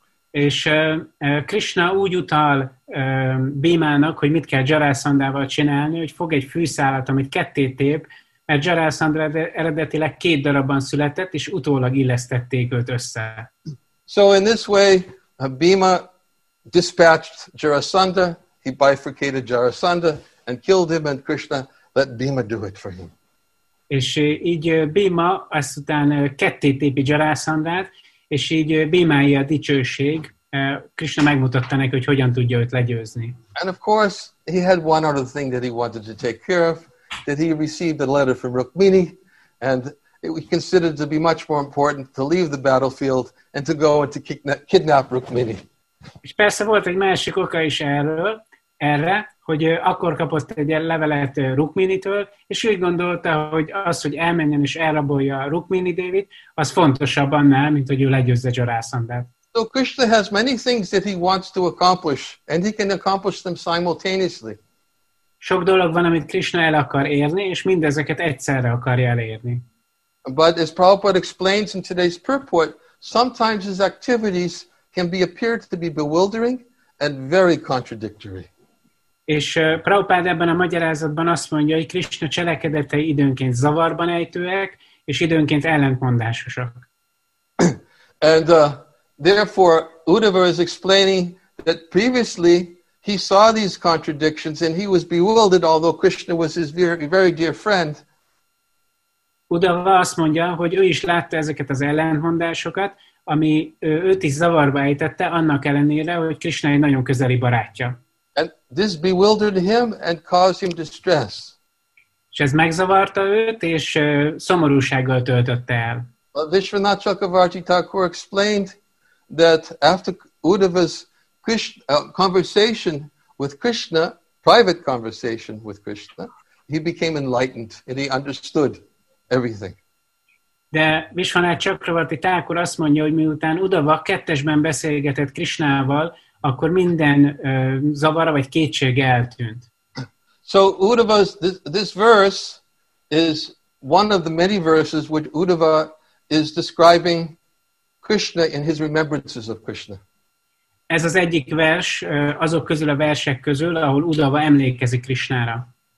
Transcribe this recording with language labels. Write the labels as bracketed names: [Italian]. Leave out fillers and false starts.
[Hungarian] És Krishna úgy utal Bhimának, hogy mit kell Jarasandával csinálni, hogy fog egy fűszálat, amit ketté tép, mert Jarasandha eredetileg két darabban született, és utólag illesztették őt össze. [English] So in this way, Bhima dispatched Jarasandha, he bifurcated Jarasandha and killed him, and Krishna let Bhima do it for him. [Hungarian] És így Bhima aztán ketté tépi Jarasandhát, és így Bhimája a dicsőség, Krishna megmutatta neki, hogy hogyan tudja őt legyőzni. [English] And of course, he had one other thing that he wanted to take care of, that he received a letter from Rukmini, and it was considered to be much more important to leave the battlefield and to go and to kidnap Rukmini. [Hungarian] És persze volt egy másik oka is erre, hogy akkor kapott egy levelet Rukmini-től, és úgy gondolta, hogy az, hogy elmenjen és elrabolja Rukmini Dévit, az fontosabb annál, mint hogy ő legyőzze Jarasandhát. [English] So Krishna has many things that he wants to accomplish, and he can accomplish them simultaneously. [Hungarian] Sok dolog van, amit Krishna el akar érni, és mindezeket egyszerre akarja elérni. [English] But as Prabhupada explains in today's purport, sometimes his activities can be appeared to be bewildering and very contradictory. [Hungarian] És Prabhupada ebben a magyarázatban azt mondja, hogy Krishna cselekedetei időnként zavarban ejtőek, és időnként ellentmondásosak. [English] And therefore, Uddhava is explaining that previously he saw these contradictions and he was bewildered, although Krishna was his very, very dear friend. [Hungarian] Uddhava azt mondja, hogy ő is látta ezeket az ellentmondásokat, ami őt is zavarba ejtette, annak ellenére, hogy Krishna egy nagyon közeli barátja. [English] And this bewildered him and caused him distress. [Hungarian] És ez megzavarta őt, és szomorúsággal töltötte el. [English] But Vishvanatha Chakravarti Thakur explained that after Uddhava's conversation with Krishna, private conversation with Krishna, he became enlightened and he understood everything. [Hungarian] De Vishvanatha Chakravarti Thakur azt mondja, hogy miután Uddhava kettesben beszélgetett Krishnával, akkor minden zavara vagy kétség eltűnt. [English] So Uddhava's this verse is one of the many verses which Uddhava is describing Krishna in his remembrances of Krishna. [Hungarian] Ez az egyik vers azok közül a versek közül, ahol Uddhava emlékezik Krishnára.